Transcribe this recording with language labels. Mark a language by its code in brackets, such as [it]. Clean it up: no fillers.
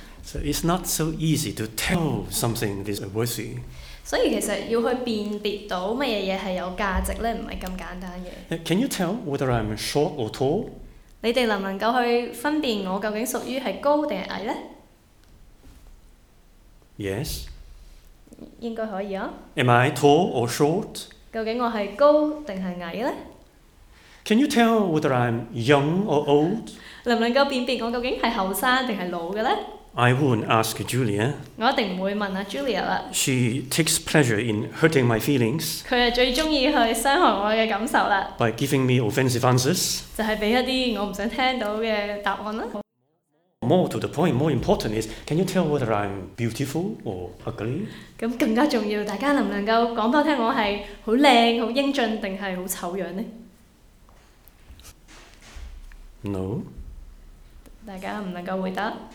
[en] So it's not so easy to tell something is worthy. [yue] 所以其實要去辨別到乜嘢嘢係有價值咧，唔係咁簡單嘅。 [en] Can you tell whether I'm short or tall? [yue] 你哋能唔能夠去分辨我究竟屬於係高定係矮咧 [en] ？Yes. [yue] 應該可以啊。 [en] Am I tall or short? [yue] 究竟我係高定係矮咧 [en] ？Can you tell whether I'm young or old? [yue] 能唔能夠辨別我究竟係後生定係老嘅咧？ [en] I won't ask Julia. [yue] 我一定唔會問阿 Julia 啦。 [en] She takes pleasure in hurting my feelings. [yue] 佢係最中意去傷害我嘅感受啦。 [en] By giving me offensive answers. [yue] 就係俾一啲我唔想聽到嘅答案啦。 [en] More to the point, more important is, can you tell whether I'm beautiful or ugly? [yue] 咁更加重要，大家能唔能夠講俾我聽，我係好靚、好英俊定係好醜樣呢 [en] ？No. [yue] 大家唔能夠回答。